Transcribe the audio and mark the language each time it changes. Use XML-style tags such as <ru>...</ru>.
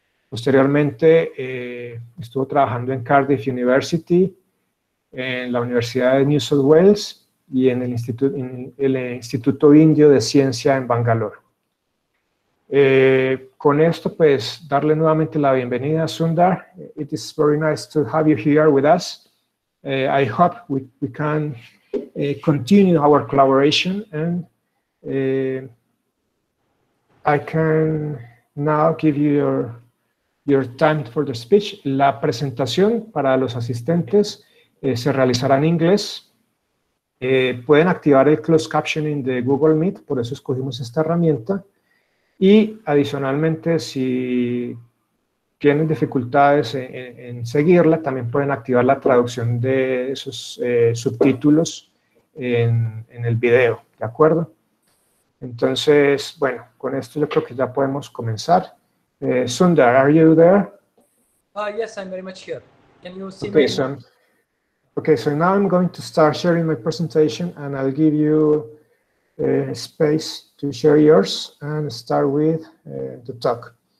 <es>Posteriormente estuvo trabajando en Cardiff University, en la Universidad de New South Wales y en el Instituto Indio de Ciencia en Bangalore. Con esto, pues, darle nuevamente la bienvenida a Sundar.</es> <en>It is very nice to have you here with us. I hope we can continue our collaboration and I can now give you your time for the speech.</en> <es>La presentación para los asistentes se realizará en inglés. Pueden activar el closed captioning de Google Meet, por eso escogimos esta herramienta. Y adicionalmente, si tienen dificultades en seguirla, también pueden activar la traducción de esos subtítulos en el video, ¿de acuerdo? Entonces, bueno, con esto yo creo que ya podemos comenzar.</es> <en>Sundar, are you there? Yes, I'm very much here. Can you see me? So now I'm going to start sharing my presentation, and I'll give you space to share yours and start with the talk.</en>